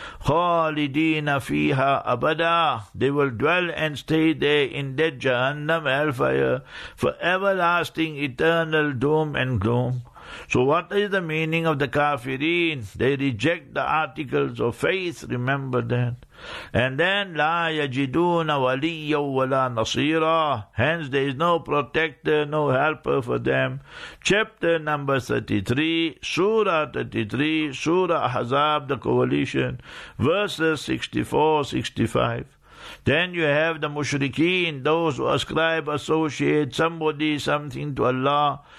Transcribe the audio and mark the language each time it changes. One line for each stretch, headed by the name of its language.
Arabic: خَالِدِينَ فِيهَا أَبَدًا.
English: They will dwell and stay there in that Jahannam hellfire for everlasting eternal doom and gloom. So what is the meaning of the kafirin? They reject the articles of faith, remember that. And then
Arabic: لا يجدون وليا ولا نصيرا.
English: Hence there is no protector, no helper for them. Chapter number 33, Surah 33, Surah Ahzab, the coalition, verses 64-65. Then you have the mushrikeen, those who ascribe, associate somebody, something to Allah.